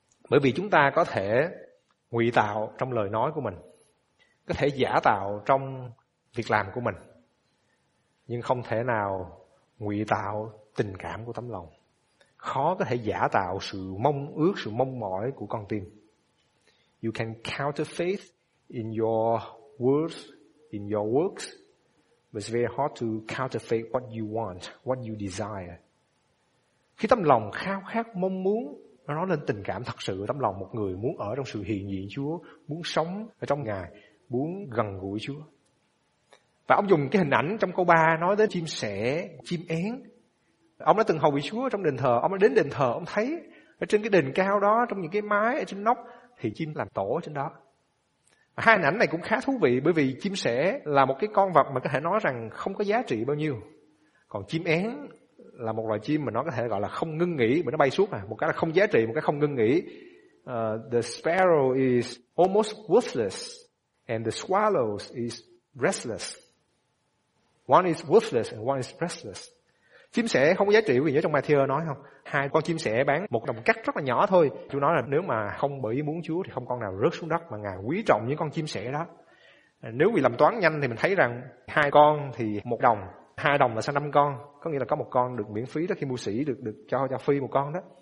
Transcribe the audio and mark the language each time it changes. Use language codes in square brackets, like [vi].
[vi] Bởi vì chúng ta có thể ngụy tạo trong lời nói của mình, có thể giả tạo trong việc làm của mình, nhưng không thể nào ngụy tạo tình cảm của tấm lòng. Khó có thể giả tạo sự mong ước, sự mong mỏi của con tim. [en] You can counterfeit in your words, in your works, but it's very hard to counterfeit what you want, what you desire. [vi] Khi tấm lòng khao khát mong muốn, nó nói lên tình cảm thật sự của tấm lòng một người muốn ở trong sự hiện diện Chúa, muốn sống ở trong Ngài, muốn gần gũi Chúa. Và ông dùng cái hình ảnh trong câu 3 nói đến chim sẻ, chim én. Ông đã từng hầu vị Chúa trong đền thờ, ông đã đến đền thờ, ông thấy ở trên cái đền cao đó, trong những cái mái ở trên nóc, thì chim làm tổ trên đó. Hai hình ảnh này cũng khá thú vị, bởi vì chim sẻ là một cái con vật mà có thể nói rằng không có giá trị bao nhiêu. Còn chim én là một loài chim mà nó có thể gọi là không ngưng nghỉ, mà nó bay suốt à. Một cái là không giá trị, một cái không ngưng nghỉ. [en] The sparrow is almost worthless, and the swallow is restless. One is worthless and one is restless. [vi] Chim sẻ không có giá trị, quý vị nhớ trong Matthew nói không? Hai con chim sẻ bán một đồng cắt rất là nhỏ thôi. Chúa nói là nếu mà không bởi ý muốn Chúa thì không con nào rớt xuống đất, mà Ngài quý trọng những con chim sẻ đó. Nếu quý vị làm toán nhanh thì mình thấy rằng hai con thì một đồng, hai đồng là sang năm con. Có nghĩa là có một con được miễn phí đó, khi mua sỉ được cho phi một con đó.